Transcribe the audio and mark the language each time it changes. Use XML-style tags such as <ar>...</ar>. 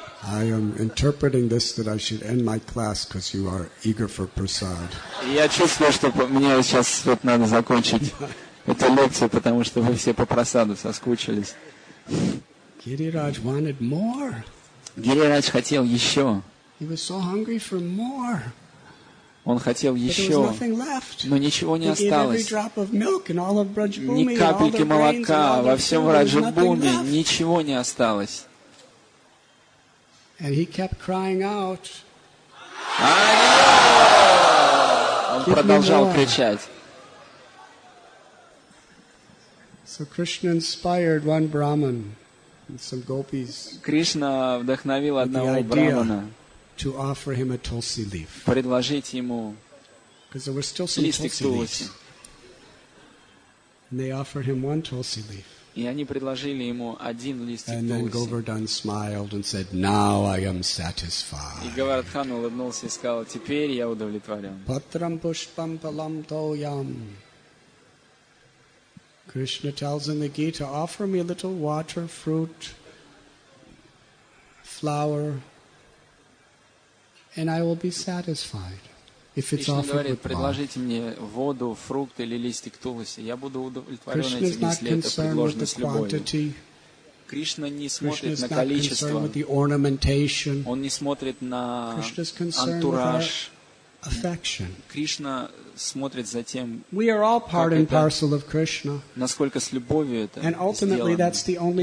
<en>I am interpreting this that I should end my class because you are eager for prasad.</en> <ru>Я чувствую, что мне сейчас вот надо закончить эту лекцию, потому что вы все по прасаду соскучились.</ru> <en>Гирирадж wanted more.</en> <ru>Гирирадж хотел еще.</ru> <en>He was so hungry for more.</en> <ru>Он хотел еще, но ничего не осталось. Ни капельки молока во всем Враджабхуме, ничего не осталось.</ru> <en>And he kept crying out.</en> <ru>Он продолжал кричать.</ru> <en>So Krishna inspired one Brahmin and some gopis.</en> <ru>Кришна вдохновил одного брахмана.</ru> <en>To offer him a tulsi leaf.</en> <ru>Предложить ему.</ru> <en>Because there were still some tulsi leaves. And they offered him one tulsi leaf.</en> <ru>И они предложили ему один листик</ru> <en>тулси. And then Govardhan smiled and said, "Now I am satisfied."</en> <ru>И Говардхан улыбнулся и сказал: "Теперь я удовлетворен."</ru> <sa>Патрам пушпам палам тоям.</sa> <en>Krishna tells in the Gita, "Offer me a little water, fruit, flower, and I will be satisfied." If it's offered with love.</en> <ru>Предложите мне воду, фрукты или листик тулоси. Я буду удовлетворен этим, если это предложено с любовью. Кришна не смотрит на количество. Он не смотрит на антураж. Кришна смотрит за тем, насколько с любовью это сделано.</ru>